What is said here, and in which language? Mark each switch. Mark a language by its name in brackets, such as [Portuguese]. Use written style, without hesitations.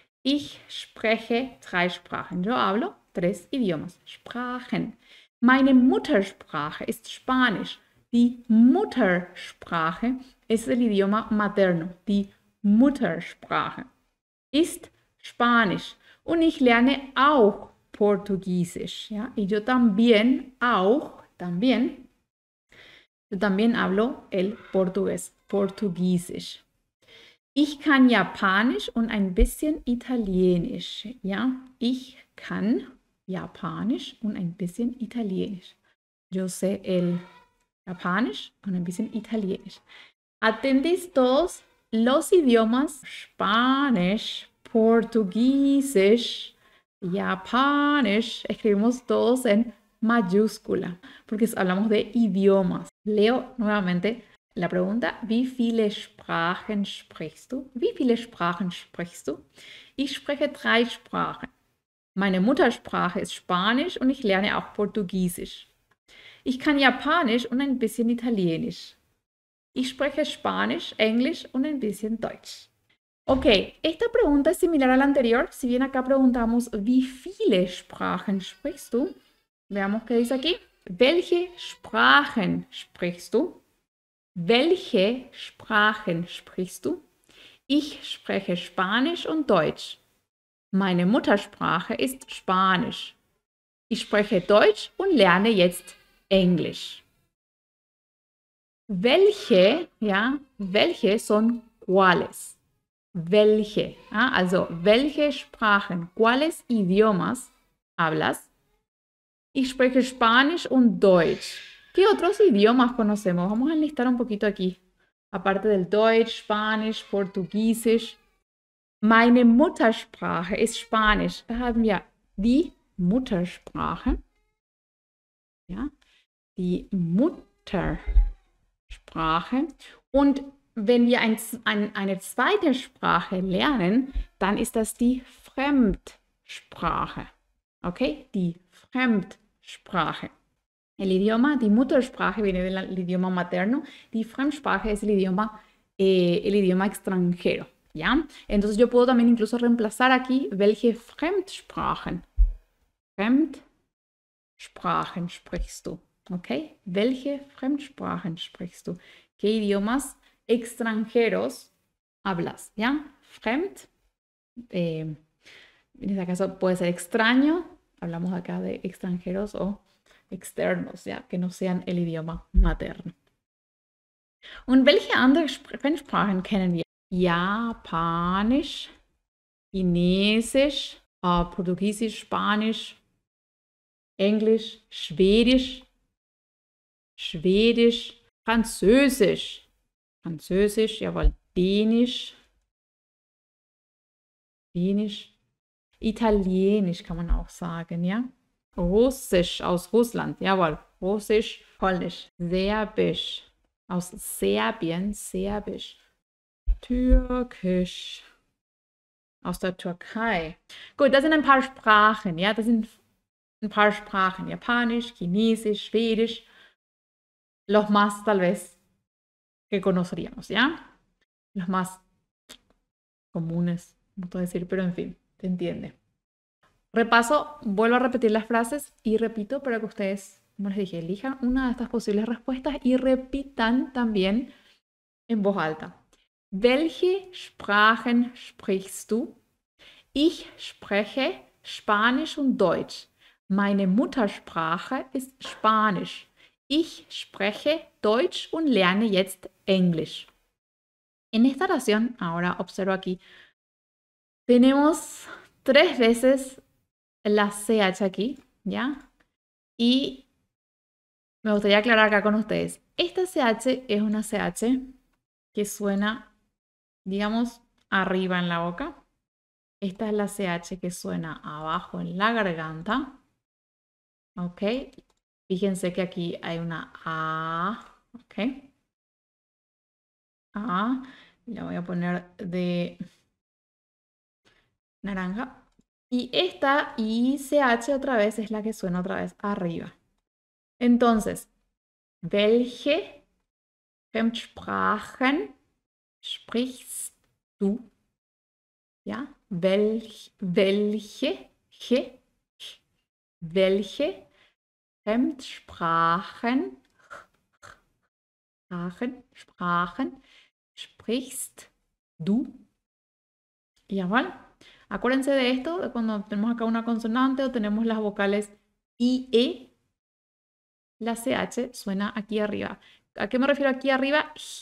[German] Ich spreche drei Sprachen. [Spanish] Yo hablo tres idiomas. [German] Sprachen. Meine Muttersprache ist Spanisch. Die Muttersprache ist [Spanish] el idioma materno. [German] Die Muttersprache ist Spanisch und ich lerne auch Portugiesisch. Ja? [Spanish] Y yo también, [German] auch, [Spanish] también, yo también hablo el Portugués, Portugiesisch. [German] Ich kann Japanisch und ein bisschen Italienisch. Ja? Ich kann Japanisch und ein bisschen Italienisch. [Spanish] Yo sé el [German] Japanisch und ein bisschen Italienisch. [Spanish] Atendis todos. Los idiomas Spanisch, Portugiesisch, Japanisch escribimos todos en mayúscula, porque hablamos de idiomas. Leo nuevamente la pregunta, [German] wie viele Sprachen sprichst du? Wie viele Sprachen sprichst du? Ich spreche drei Sprachen. Meine Muttersprache ist Spanisch und ich lerne auch Portugiesisch. Ich kann Japanisch und ein bisschen Italienisch. Ich spreche Spanisch, Englisch und ein bisschen Deutsch. [Spanish] Okay, esta pregunta es similar a la anterior. Si bien acá preguntamos, [German] ¿wie viele Sprachen sprichst du? [Spanish] Veamos qué dice aquí. [German] Welche Sprachen sprichst du? Welche Sprachen sprichst du? Ich spreche Spanisch und Deutsch. Meine Muttersprache ist Spanisch. Ich spreche Deutsch und lerne jetzt Englisch. Welche, ja, welche [Spanish] son cuáles? [German] Welche, ja, also welche Sprachen, [Spanish] cuáles idiomas hablas? [German] Ich spreche Spanisch und Deutsch. [Spanish] ¿Qué otros idiomas conocemos? Vamos a enlistar un poquito aquí. Aparte del [German] Deutsch, Spanisch, Portugiesisch. Meine Muttersprache ist Spanisch. Da haben wir die Muttersprache. Ja, die Muttersprache. Und wenn wir eine zweite Sprache lernen, dann ist das die Fremdsprache. [Spanish] Okay? [German] Die Fremdsprache. [Spanish] El idioma, [German] die Muttersprache [Spanish] viene del idioma materno. [German] Die Fremdsprache [Spanish] es el idioma extranjero. ¿Ya? Entonces yo puedo también incluso reemplazar aquí [German] welche Fremdsprachen. Fremdsprachen sprichst du. Okay? Welche Fremdsprachen sprichst du? [Spanish] ¿Qué idiomas extranjeros hablas? ¿Ya? [German] Fremd. [Spanish] En este caso puede ser extraño. Hablamos acá de extranjeros o externos, ¿ya? Que no sean el idioma materno. ¿ [German] Und welche andere Fremdsprachen kennen wir? Japanisch, Chinesisch, Portugiesisch, Spanisch, Englisch, Schwedisch, Schwedisch, Französisch, Französisch, jawohl, Dänisch, Dänisch, Italienisch kann man auch sagen, ja? Russisch aus Russland, jawohl, Russisch, Polnisch, Serbisch, aus Serbien, Serbisch. Türkisch aus der Türkei. Gut, das sind ein paar Sprachen, ja, das sind ein paar Sprachen. Japanisch, Chinesisch, Schwedisch. [Spanish] Los más tal vez que conoceríamos, [German] ja? [Spanish] Los más comunes, no puedo decir, pero en fin, te entiende. Repaso, vuelvo a repetir las frases y repito para que ustedes, como les dije, elijan una de estas posibles respuestas y repitan también en voz alta. [German] Welche Sprachen sprichst du? Ich spreche Spanisch und Deutsch. Meine Muttersprache ist Spanisch. Ich spreche Deutsch und lerne jetzt Englisch. [Spanish] En esta oración, ahora observo aquí, tenemos tres veces la CH aquí, ¿ya? Y me gustaría aclarar acá con ustedes. Esta CH es una CH que suena, digamos, arriba en la boca. Esta es la CH que suena abajo en la garganta. ¿Ok? Fíjense que aquí hay una A. ¿Ok? A. La voy a poner de naranja. Y esta ICH otra vez es la que suena otra vez arriba. [German] Entonces, welche Fremdsprachen sprichst du, ja, welche Fremdsprachen, Sprachen sprichst du? Jawohl. [Spanish] Acuérdense de esto, de cuando tenemos acá una consonante o tenemos las vocales I, E, la CH suena aquí arriba. ¿A qué me refiero aquí arriba?